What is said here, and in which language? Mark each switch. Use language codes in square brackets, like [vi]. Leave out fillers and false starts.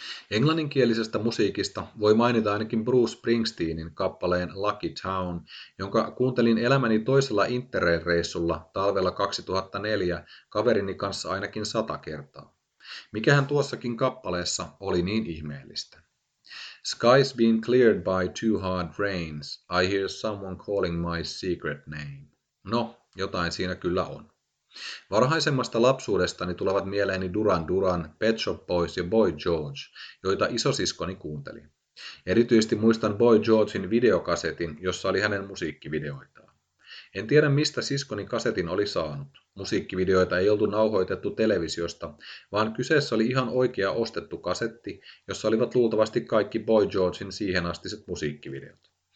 [fi] Englanninkielisestä musiikista voi mainita ainakin Bruce Springsteenin kappaleen Lucky Town, jonka kuuntelin elämäni toisella Interrail-reissulla talvella 2004 kaverini kanssa ainakin 100 kertaa. Mikähän tuossakin kappaleessa oli niin ihmeellistä? [en] Sky's been cleared by two hard rains. I hear someone calling my secret name. [fi] No, jotain siinä kyllä on. Varhaisemmasta lapsuudestani tulevat mieleeni Duran Duran, Pet Shop Boys ja Boy George, joita isosiskoni kuunteli. Erityisesti muistan Boy Georgein videokasetin, jossa oli hänen musiikkivideoitaan. En tiedä mistä siskoni kasetin oli saanut. Musiikkivideoita ei oltu nauhoitettu televisiosta, vaan kyseessä oli ihan oikea ostettu kasetti, jossa olivat luultavasti kaikki Boy Georgein siihen astiset musiikkivideot.